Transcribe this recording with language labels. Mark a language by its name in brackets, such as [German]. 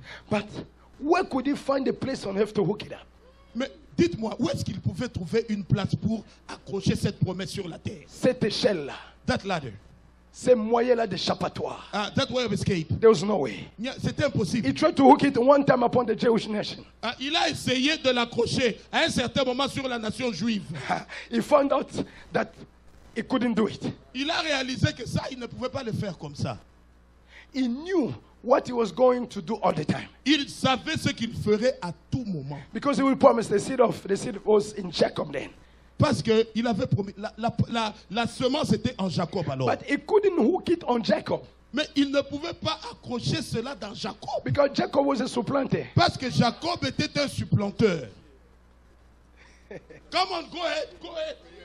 [English] But where could he find a place on earth to hook it up? [French] Mais dites-moi, où est-ce qu'il pouvait trouver une place pour accrocher cette promesse sur la terre? Cette échelle-là. [English] That ladder. [French] Ces moyens-là d'échappatoire. [English] That way of escape. There was no way. Yeah, [French] c'était impossible. [English] He tried to hook it one time upon the Jewish nation. [French] Il a essayé de l'accrocher à un certain moment sur la nation juive. [English] He found out that he couldn't do it. [French] Il a réalisé que ça, il ne pouvait pas le faire comme ça. [English] He knew what he was going to do all the time. [French] Il savait ce qu'il ferait à tout moment. [English] Because he would promise the seed was in Jacob then. [French] Parce que il avait promis la semence était en Jacob alors. [English] But he couldn't hook it on Jacob. [French] Mais il ne pouvait pas accrocher cela dans Jacob. [English] Because Jacob was a supplanter. [French] Parce que Jacob était un supplanteur. [English] Come on, go ahead.